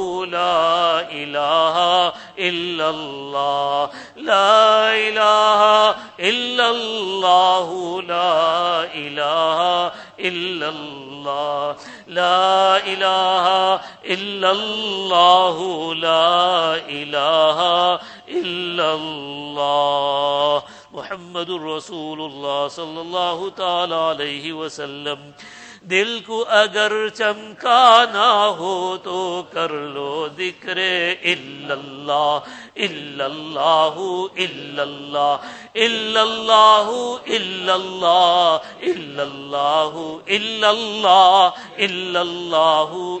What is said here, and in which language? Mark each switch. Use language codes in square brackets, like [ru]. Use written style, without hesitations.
[ar] la ilaha illallah, la ilaha illallah, la ilaha illallah, la ilaha illallah, la ilaha illallah. محمد الرسول اللہ صلی اللہ تعالی علیہ وسلم. [ur] دل کو اگر چمکانا ہو تو کر لو ذکر اللہ, اللہ اللہ اللہ اللہ اللہ اللہ اللہ